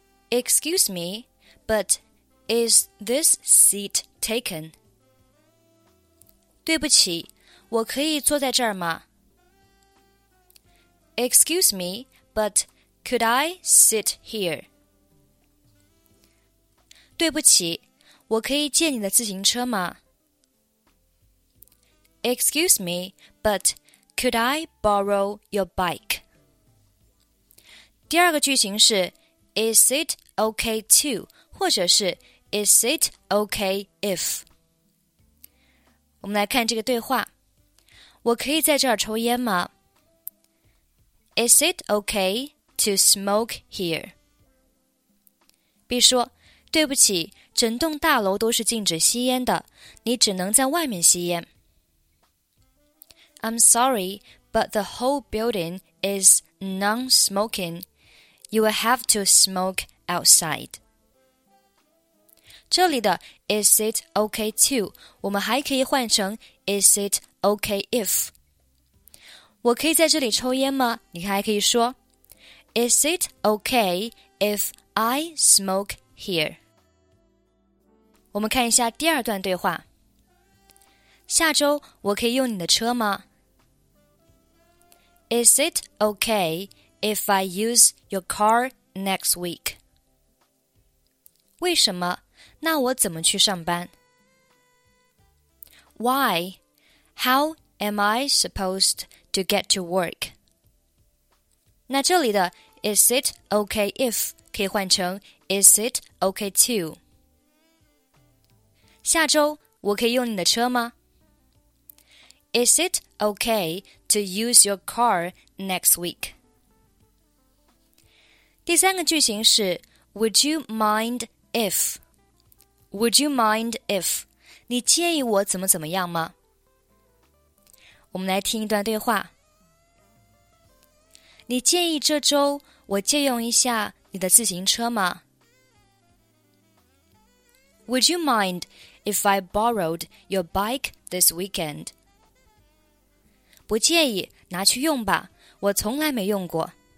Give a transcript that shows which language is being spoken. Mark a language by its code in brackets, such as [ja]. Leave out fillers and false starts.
[en] Excuse me, but is this seat taken? [zh] 对不起，我可以坐在这儿吗？ [en] Excuse me, but could I sit here? [zh] 对不起，我可以借你的自行车吗？ [en] Excuse me, butCould I borrow your bike? [zh] 第二个句型是 [en] Is it okay to? [zh] 或者是 [en] Is it okay if? [zh] 我们来看这个对话。我可以在这儿抽烟吗？ [en] Is it okay to smoke here? [zh] B 说，对不起，整栋大楼都是禁止吸烟的，你只能在外面吸烟。 [en] I'm sorry, but the whole building is non-smoking. You will have to smoke outside. [zh] 这里的 [en] is it okay to, [zh] 我们还可以换成 [en] is it okay if. [zh] 我可以在这里抽烟吗？你还可以说 [en] is it okay if I smoke here? [zh] 我们看一下第二段对话。下周我可以用你的车吗？ [en] Is it okay if I use your car next week? [zh] 为什么？那我怎么去上班？ [en] Why? How am I supposed to get to work? [zh] 那这里的 [en] is it okay if [zh] 可以换成 [en] is it okay to? [zh] 下周我可以用你的车吗？ [en] Is it okay to use your car next week? [zh] 第三个句型是 [en] Would you mind if? Would you mind if? [zh] 你介意我怎么怎么样吗？我们来听一段对话。你介意这周我借用一下你的自行车吗？ [en] Would you mind if I borrowed your bike this weekend? [zh] 不介意，拿去用吧，我从来没用过。